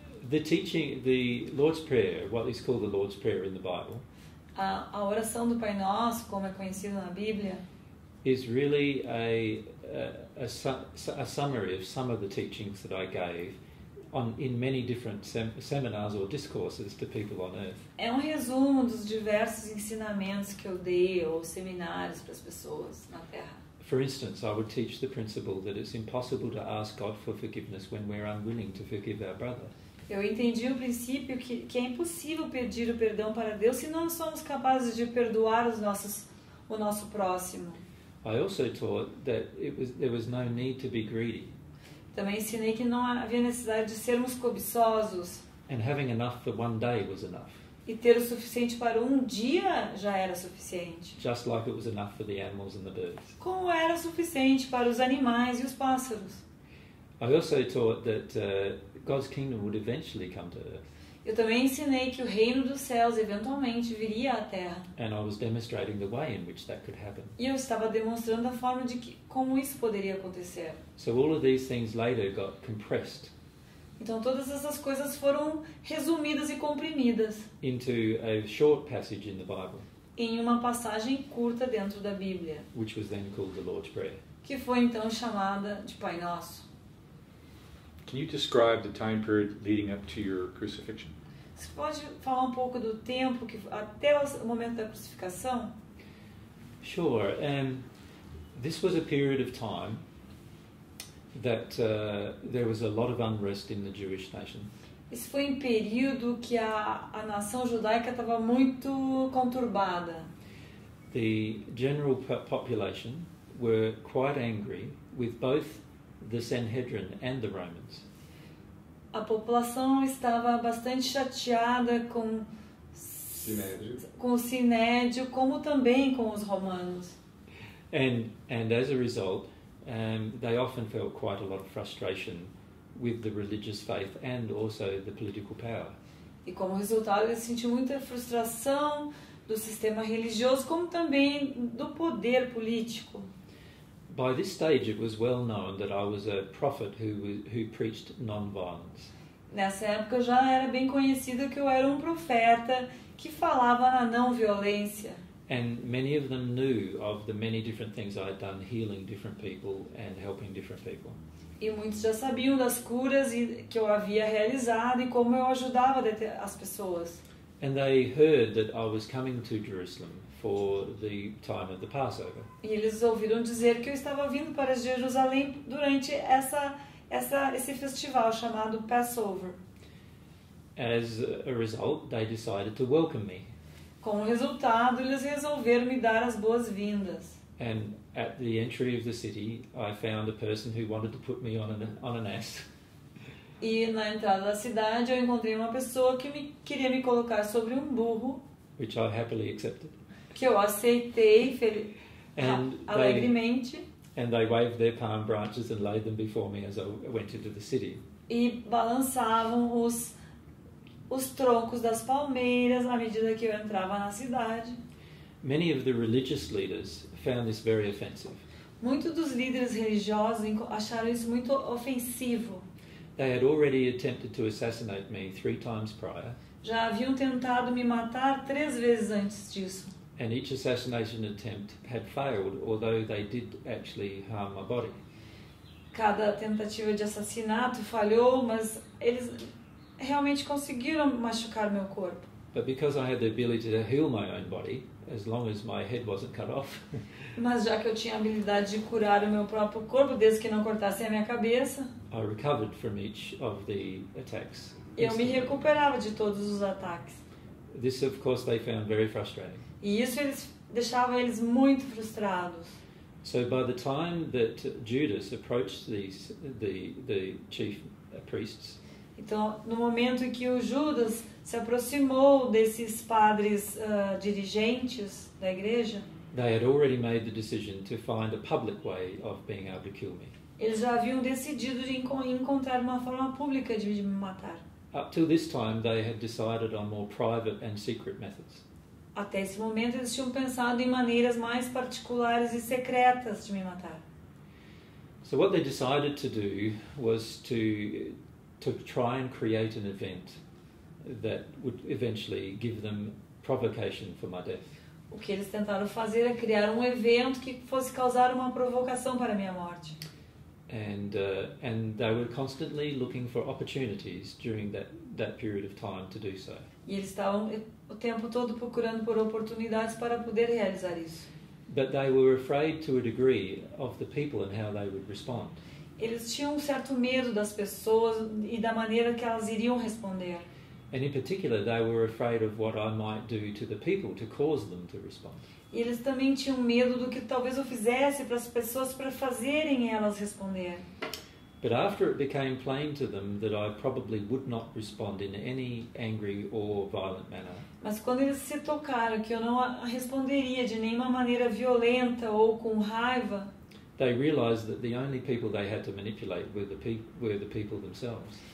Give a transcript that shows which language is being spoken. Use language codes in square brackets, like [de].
[en] The teaching, the Lord's Prayer, what is called the Lord's Prayer in the Bible, [pt] a oração do Pai Nosso, como é conhecida na Bíblia, [en] is really a summary of some of the teachings that I gave in many different seminars or discourses to people on earth. [pt] É um resumo dos diversos ensinamentos que eu dei ou seminários para as pessoas na Terra. [en] For instance, I would teach the principle that it's impossible to ask God for forgiveness when we're unwilling to forgive our brother. [pt] Eu entendi o princípio que é impossível pedir o perdão para Deus se não somos capazes de perdoar o nosso próximo. [en] I also taught that there was no need to be greedy. [pt] Também ensinei que não havia necessidade de sermos cobiçosos. [en] And having enough for one day was enough. [pt] E ter o suficiente para um dia já era suficiente. [en] Just like it was enough for the animals and the birds. [pt] Como era suficiente para os animais e os pássaros. [en] I also taught that God's kingdom would eventually come to earth. [pt] Eu também ensinei que o reino dos céus eventualmente viria à Terra. [en] And I was demonstrating the way in which that could happen. [pt] E eu estava demonstrando a forma de que, como isso poderia acontecer. [en] So all of these things later got compressed. [pt] Então todas essas coisas foram resumidas e comprimidas. [en] Into a short passage in the Bible. [pt] Em uma passagem curta dentro da Bíblia. [en] Which was then called the Lord's Prayer. [pt] Que foi então chamada de Pai Nosso. [en] Can you describe the time period leading up to your crucifixion? [pt] Você pode falar um pouco do tempo que até o momento da crucificação? [en] Sure. This was a period of time that there was a lot of unrest in the Jewish nation. [pt] Isso foi um período que a nação judaica estava muito conturbada. [en] The general population were quite angry with both the Sanhedrin and the Romans. [pt] A população estava bastante chateada com o Sinédrio, como também com os romanos. [en] And as a result, they often felt quite a lot of frustration with the religious faith and also the political power. [pt] E como resultado, eles sentiam muita frustração do sistema religioso, como também do poder político. [en] By this stage, it was well known that I was a prophet who preached non-violence. [pt] Nessa época já era bem conhecido que eu era um profeta que falava na não violência. [en] And many of them knew of the many different things I had done, healing different people and helping different people. [pt] E muitos já sabiam das curas que eu havia realizado e como eu ajudava as pessoas. [en] And they heard that I was coming to Jerusalem for the time of the Passover. [pt] E eles ouviram dizer que eu estava vindo para Jerusalém durante esse festival chamado Passover. [en] As a result, they decided to welcome me. [pt] Como resultado, eles resolveram me dar as boas-vindas. [en] And at the entry of the city, I found a person who wanted to put me on an ass. [pt] E na entrada da cidade, eu encontrei uma pessoa que queria me colocar sobre um burro. [en] Which I happily accepted. [pt] Que eu aceitei alegremente. [en] And they waved their palm branches and laid them before me as I went into the city. [pt] E balançavam os troncos das palmeiras à medida que eu entrava na cidade. [en] Many of the religious leaders found this very offensive. [pt] Muitos dos líderes religiosos acharam isso muito ofensivo. [en] They had already attempted to assassinate me 3 times prior. [pt] Já haviam tentado me matar 3 vezes antes disso. [en] And each assassination attempt had failed, although they did actually harm my body. [pt] Cada tentativa de assassinato falhou, mas eles realmente conseguiram machucar meu corpo. [en] But because I had the ability to heal my own body, as long as my head wasn't cut off. [pt] Mas já que eu tinha a habilidade de curar o meu próprio corpo, desde que não cortasse a minha cabeça. [en] I recovered from each of the attacks. [pt] Eu me recuperava de todos os ataques. [en] This, of course, they found very frustrating. [pt] E isso eles deixava eles muito frustrados. [en] So by the time that Judas approached the chief priests. [pt] Então, no momento em que o Judas se aproximou desses padres dirigentes da igreja, [en] they had already made the decision to find a public way of being able to kill me. [pt] Eles já haviam decidido de encontrar uma forma pública de me matar. [en] Up till this time, they had decided on more private and secret methods. [pt] Até esse momento, eles tinham pensado em maneiras mais particulares e secretas de me matar. [en] So what they decided to do was to try and create an event that would eventually give them provocation for my death. [pt] O que eles tentaram fazer é criar um evento que fosse causar uma provocação para a minha morte. [en] And they were constantly looking for opportunities during that period of time to do so. [pt] E eles estavam o tempo todo procurando por oportunidades para poder realizar isso. [en] But they were afraid to a degree of the people and how they would respond. [pt] Eles tinham um certo medo das pessoas e da maneira que elas iriam responder. [en] And in particular, they were afraid of what I might do to the people to cause them to respond. [pt] E eles também tinham medo do que talvez eu fizesse para as pessoas para fazerem elas responder. [en] But after it became plain to them that I probably would not respond in any angry or violent manner. [pt] Mas quando eles se tocaram que eu não responderia de nenhuma maneira violenta ou com raiva. [en] They realized that the only people they had to manipulate were the people themselves.